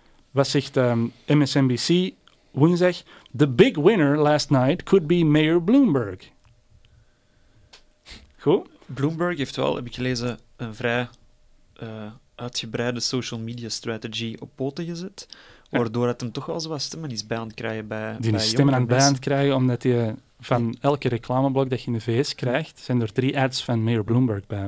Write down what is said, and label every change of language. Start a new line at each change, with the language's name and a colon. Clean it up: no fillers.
Dutch: Wat zegt MSNBC woensdag?
English: The big winner last night could be Mayor Bloomberg.
Dutch: Goed. Bloomberg heeft wel, heb ik gelezen, een vrij... uitgebreide
English: social media strategy
Dutch: op poten gezet, waardoor het hem toch wel zwaar stemmen is bij aan het krijgen bij die bij stemmen aan het bij aan het krijgen, omdat je van elke reclameblok dat je in de VS krijgt, zijn er 3 ads van Mayor Bloomberg bij.